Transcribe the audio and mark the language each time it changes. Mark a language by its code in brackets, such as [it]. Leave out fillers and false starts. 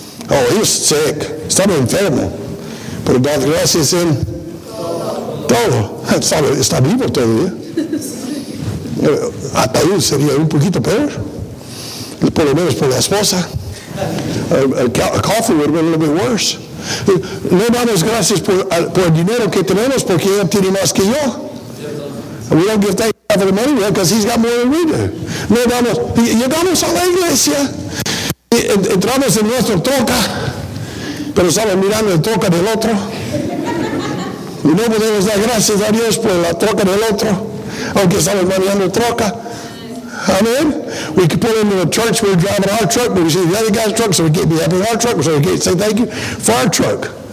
[en] Oh, he was sick. [es] Estaba enfermo. Pero dad gracias en todo. Está vivo todavía. Hasta ahí sería un poquito peor. Por lo menos por la esposa. [en] A coffee would have been a little bit worse. [es] No damos gracias por el dinero que tenemos porque él tiene más que yo. [en] We don't give thanks for the money because he's got more than we do. [es] No damos. Llegamos a la iglesia. Entramos en nuestro troca, pero estamos mirando el troca del otro. Y no podemos dar gracias a Dios por la troca del otro, aunque estamos manejando troca. Amen. [en] We could put into a church, we're driving our truck, but we see the other guy's truck, so we can't be happy in our truck, so we can't say thank you for our truck.